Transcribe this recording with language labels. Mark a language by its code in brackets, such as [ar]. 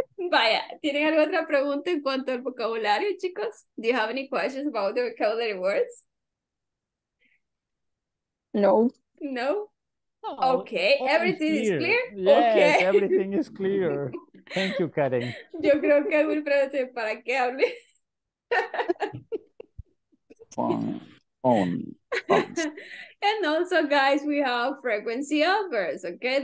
[es] Vaya, ¿tienen alguna otra pregunta en cuanto al vocabulario, chicos? [en] Do you have any questions about the vocabulary words? No. No? Okay, everything is clear? Yes, Everything is clear. Thank you, Karen. [es] Yo creo que es muy pronto para que hable. [en] And also, guys, we have frequency adverbs, okay?